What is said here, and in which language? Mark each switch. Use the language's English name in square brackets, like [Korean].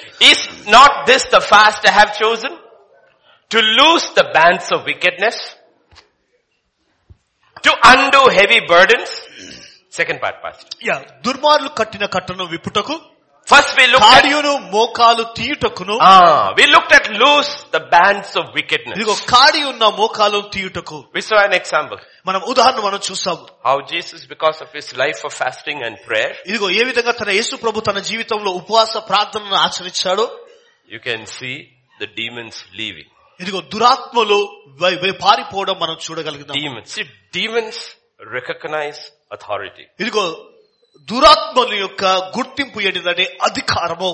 [English] Is not this the fast I have chosen, to loose the bands of wickedness, to undo heavy burdens? Second part, pastor. [Telugu] Yeah, దుర్మార్లు కట్టిన కట్టను విప్పుటకు. [English] First we looked at [Telugu] కాడియును మోకాలు తీయుటకును. [English] We looked at loose the bands of wickedness. [Telugu] ఇదిగో కాడియున్న మోకాలు తీయుటకు. [English] We saw an example. [Telugu] మనం ఉదాహరణ మనం చూసాం. [English] How Jesus, because of his life of fasting and prayer. [Telugu] ఇదిగో ఏ విధంగా తన యేసు ప్రభు తన జీవితంలో ఉపవాస ప్రార్థనను ఆచరించాడు. [English] You can see the demons leaving. [Telugu] ఇదిగో దురాత్మలు పారిపోవడం మనం చూడగలుగుతాం. [English] Demons. See, demons recognize authority. [Telugu] ఇదిగో దురాత్మల యొక్క గుర్తింపు ఏంటంటే అధికారము.